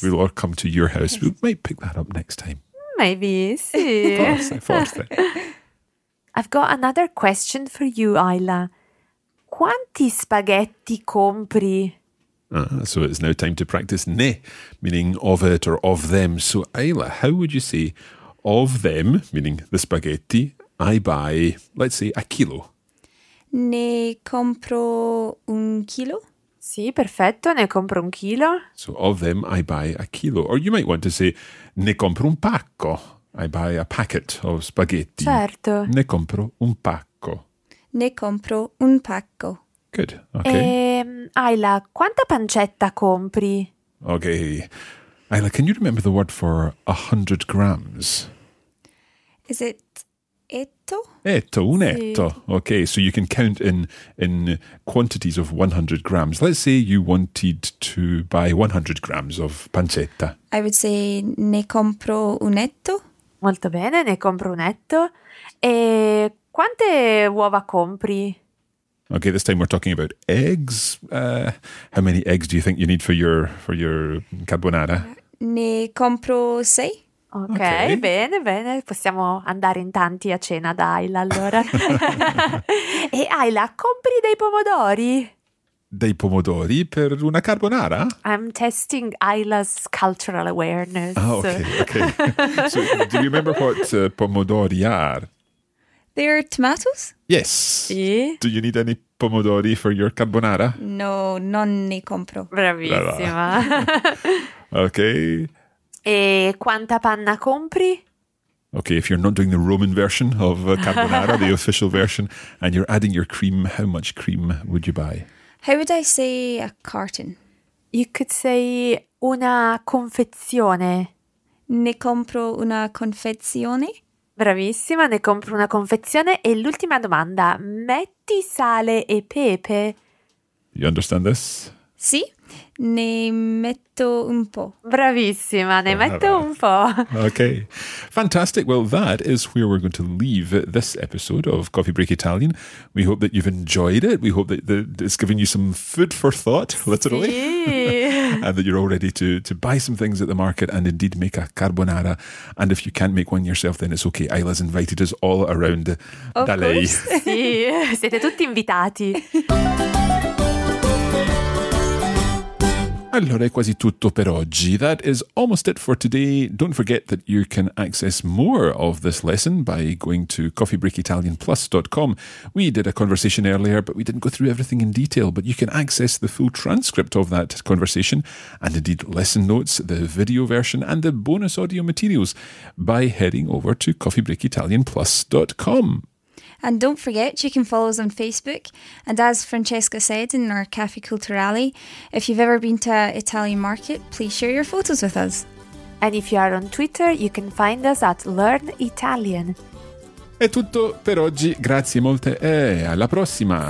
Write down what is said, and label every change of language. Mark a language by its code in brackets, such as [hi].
[en] We'll all come to your house. We might pick that up next time. Maybe, sì. [it] Forse. [en] I've got another question for you, Ayla. [it] Quanti spaghetti compri? [en] So it's now time to practice ne, meaning of it or of them. So Ayla, how would you say of them, meaning the spaghetti, I buy, let's say, a kilo? [it] Ne compro un chilo. Sì, perfetto, ne compro un chilo. [en] So of them I buy a kilo. Or you might want to say, [it] ne compro un pacco. [en] I buy a packet of spaghetti. [it] Certo. Ne compro un pacco. Ne compro un pacco. [en] Good, okay. [it] Ayla, quanta pancetta compri? [en] Okay. Ayla, can you remember the word for 100 grams? Is it... etto? [it] Etto, un etto. Sì. [en] Okay, so you can count in quantities of 100 grams. Let's say you wanted to buy 100 grams of pancetta. I would say [it] ne compro un etto. Molto bene, ne compro un etto. E quante uova compri? [en] Okay, this time we're talking about eggs. How many eggs do you think you need for your carbonara? [it] Ne compro sei. Okay. Ok, bene, bene. Possiamo andare in tanti a cena da Ayla, allora. E Ayla, compri dei pomodori? Dei pomodori per una carbonara? [en] I'm testing Ayla's cultural awareness. Ah, ok. So, do you remember what pomodori are? They're tomatoes? Yes. [it] Sì. [en] Do you need any pomodori for your carbonara? [it] No, non ne compro. Bravissima. [en] Ok. [it] E quanta panna compri? [en] Okay, if you're not doing the Roman version of carbonara, the official version, and you're adding your cream, how much cream would you buy? How would I say a carton? You could say [it] una confezione. Ne compro una confezione. Bravissima, ne compro una confezione. E l'ultima domanda, metti sale e pepe? [en] You understand this? [it] Sì. Ne metto un po'. Bravissima, ne metto un po'. [en] Okay, fantastic. Well, that is where we're going to leave this episode of Coffee Break Italian. We hope that you've enjoyed it. We hope that it's given you some food for thought, literally. [it] Sì. [en] And that you're all ready to buy some things at the market and indeed make a carbonara. And if you can't make one yourself, then it's okay. Ayla's invited us all around [it] da lei. Sì, siete tutti invitati. Allora, è quasi tutto per oggi. [en] That is almost it for today. Don't forget that you can access more of this lesson by going to coffeebreakitalianplus.com. We did a conversation earlier, but we didn't go through everything in detail. But you can access the full transcript of that conversation and indeed lesson notes, the video version and the bonus audio materials by heading over to coffeebreakitalianplus.com. And don't forget, you can follow us on Facebook. And as Francesca said in our Cafe Culturale, if you've ever been to an Italian market, please share your photos with us. And if you are on Twitter, you can find us at Learn Italian. [it] È tutto per oggi. Grazie molte e alla prossima.